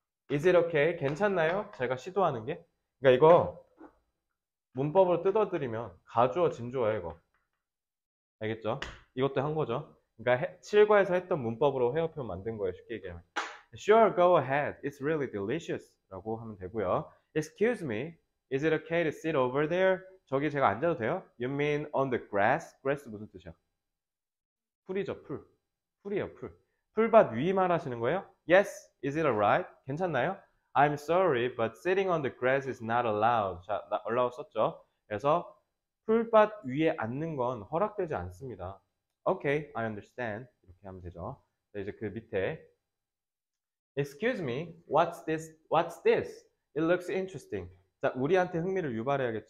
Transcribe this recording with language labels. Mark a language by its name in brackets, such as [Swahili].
[English] Is it okay? [Korean] 괜찮나요? 제가 시도하는 게. 그러니까 이거 문법으로 뜯어드리면 가주어 진주어야 이거 알겠죠? 이것도 한 거죠. 그러니까 7과에서 했던 문법으로 회화 표현 만든 거예요. 쉽게 얘기하면 [English] Sure, go ahead. It's really delicious라고 하면 되고요. Excuse me, is it okay to sit over there? [Korean] 저기 제가 앉아도 돼요? [English] You mean on the grass? [Korean] Grass 무슨 뜻이야? 풀이죠, 풀. 풀이에요, 풀. 풀밭 위 말하시는 거예요? [English] Yes, is it alright? [Korean] 괜찮나요? [English] I'm sorry, but sitting on the grass is not allowed. [Korean] 자, 나 allowed 썼죠. 그래서 풀밭 위에 앉는 건 허락되지 않습니다. [English] Okay, I understand. [Korean] 이렇게 하면 되죠. 이제 그 밑에 [English] Excuse me, what's this? What's this? It looks interesting. [Korean] 자, 우리한테 흥미를 유발해야겠지?